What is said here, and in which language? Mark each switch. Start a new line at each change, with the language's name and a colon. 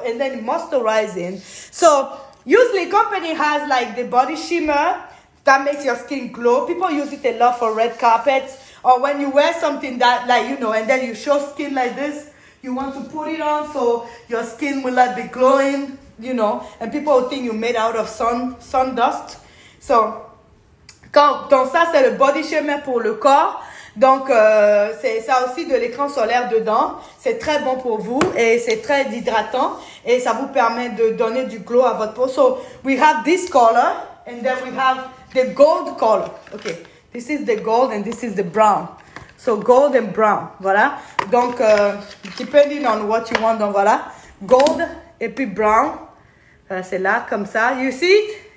English: And then moisturizing. So usually company has like the body shimmer that makes your skin glow. People use it a lot for red carpets, or when you wear something that, like, you know, and then you show skin like this, you want to put it on so your skin will not be glowing, you know, and people will think you're made out of sun dust.
French: So donc ça c'est le body shimmer pour le corps. Donc c'est ça aussi de l'écran solaire dedans. C'est très bon pour vous et c'est très hydratant et ça vous permet de donner du glow à votre peau.
English: So we have this color and then we have the gold color. Okay, this is the gold and this is the brown. So gold and brown, voilà.
French: Donc,
English: depending on what you want,
French: donc voilà. Gold et puis brown. C'est là, comme ça.
English: You see it?